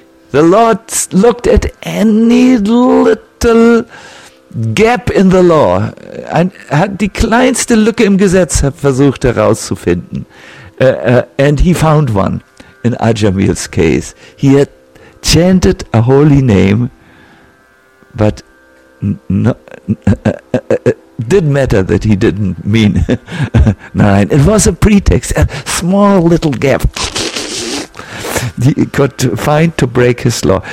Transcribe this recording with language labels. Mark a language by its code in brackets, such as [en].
[en] The Lord looked at any little gap in the law. [de] Er hat die kleinste Lücke im Gesetz versucht herauszufinden. [en] And he found one in Ajamil's case. He had chanted a holy name, but didn't matter that he didn't mean nine. It was a pretext, a small little gap. He could find to break his law.